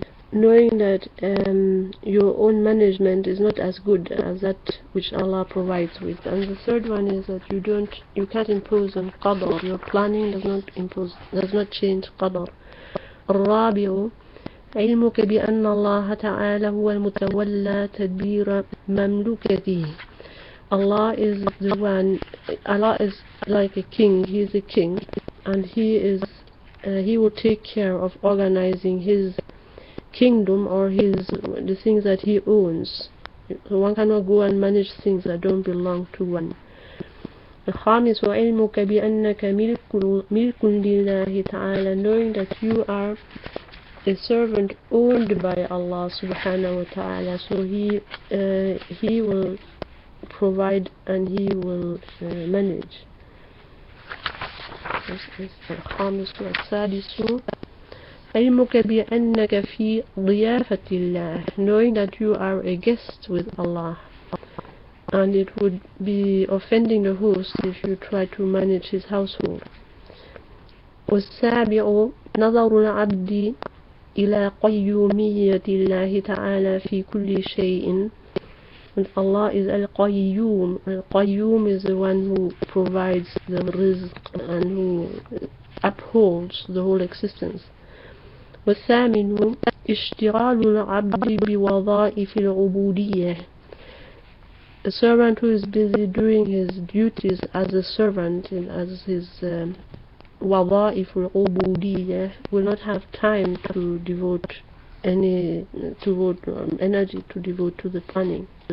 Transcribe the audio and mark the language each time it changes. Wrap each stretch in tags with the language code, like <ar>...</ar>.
<en>Knowing that your own management is not as good as that which Allah provides with. And the third one is that you can't impose on qadr. Your planning does not change qadr.</en> <ar>الرابع علمك بأن الله تعالى هو المتولى تدبير مملكته.</ar> <en>Allah is like a king. He is a king, and he will take care of organizing his kingdom or the things that he owns. So one cannot go and manage things that don't belong to one.</en> <ar>الخامس علمك بأنك ملك لله تعالى.</ar> <en>Knowing that you are a servant owned by Allah subhanahu wa ta'ala, so he will provide and he will manage.</en> <ar>الخامس والسادس علمك بأنك في ضيافة الله</ar> <en>knowing that you are a guest with Allah and it would be offending the host if you try to manage his household.</en> <ar>والسابع نظر العبد إلى قيومية الله تعالى في كل شيء</ar> <en>and Allah is al-qayyum. Al-qayyum is the one who provides the rizq and who upholds the whole existence.</en> <ar>والثامن اشتغال العبد بوظائف العبودية.</ar> <en>A servant who is busy doing his duties as a servant and as his</en> <ar>وظائف العبودية</ar> <en>will not have time to devote any energy to devote to the planning.</en>